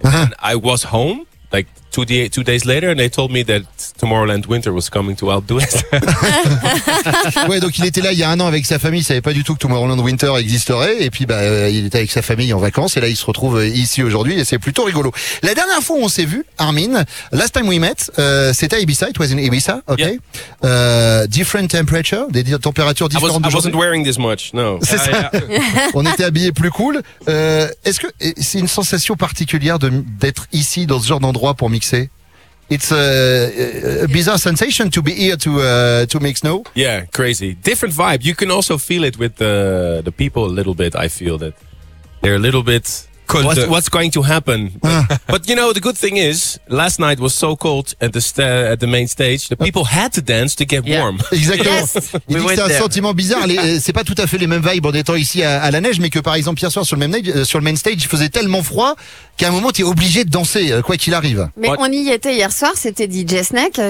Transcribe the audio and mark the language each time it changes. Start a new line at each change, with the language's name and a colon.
English: And I was home like two days later and they told me that Tomorrowland Winter was coming to Alpe d'Huez.
French: Ouais, donc il était là il y a un an avec sa famille. Il savait pas du tout que Tomorrowland Winter existerait. Et puis, bah, il était avec sa famille en vacances. Et là, il se retrouve ici aujourd'hui et c'est plutôt rigolo. La dernière fois où on s'est vu, Armin,
English: last time we met,
French: c'était à Ibiza.
English: It was in Ibiza. Okay. Yeah. Different temperature,
French: des températures différentes.
English: I wasn't wearing this much. No.
French: C'est ça. On était habillés plus cool. Est-ce que c'est une sensation particulière d'être ici dans ce genre d'endroit pour mixer?
English: It's a bizarre sensation to be here to mix, no? Yeah, crazy. Different vibe. You can also feel it with the people a little bit. I feel that they're a little bit cold. What's going to happen? But you know, the good thing is, last night was so cold at the main stage. The people had to dance to get warm.
French: Exactement. Yes. Il dit que c'est un sentiment bizarre. C'est pas tout à fait les mêmes vibes en étant ici à la neige, mais que par exemple, hier soir sur le main stage, il faisait tellement froid qu'à un moment, t'es obligé de danser, quoi qu'il arrive. Mais on y était hier soir, c'était DJ Snake.